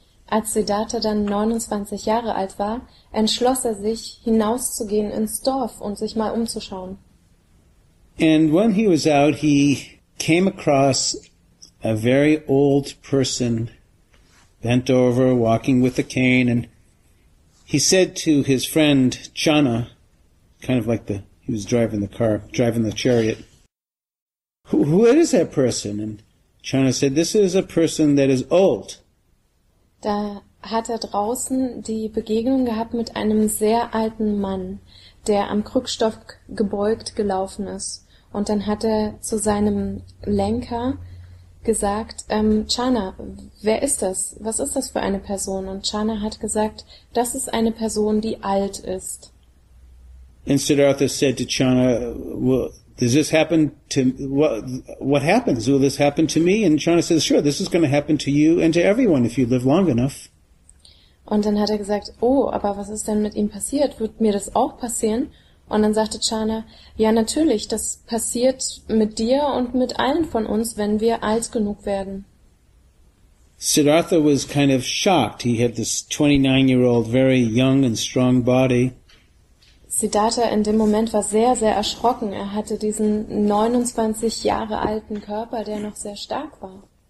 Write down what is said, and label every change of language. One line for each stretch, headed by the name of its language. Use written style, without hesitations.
German: Als Siddhartha dann 29 Jahre alt war, entschloss er sich, hinauszugehen ins Dorf und sich mal umzuschauen.
English: And when he was out, he came across a very old person bent over, walking with a cane, and he said to his friend, Chana, kind of like he was driving the car, driving the chariot, who is that person? And Chana said, this is a person that is old.
German: Da hat draußen die Begegnung gehabt mit einem sehr alten Mann, der am Krückstock gebeugt gelaufen ist. Und dann hat zu seinem Lenker gesagt, Chana, wer ist das? Was ist das für eine Person? Und Chana hat gesagt, das ist eine Person, die alt ist.
English: And Siddhartha said to Chana, well, does this happen to, what happens? Will this happen to me? And Chana says, sure, this is going to happen to you and to everyone if you live long enough.
German: Und dann hat gesagt, oh, aber was ist denn mit ihm passiert? Wird mir das auch passieren? Und dann sagte Chana, ja, natürlich, das passiert mit dir und mit allen von uns, wenn wir alt genug werden.
English: Siddhartha was kind of shocked. He had this 29-year-old, very young and strong body.
German: Siddhartha in dem Moment war sehr, sehr erschrocken. Er hatte diesen 29 Jahre alten Körper, der noch sehr stark war.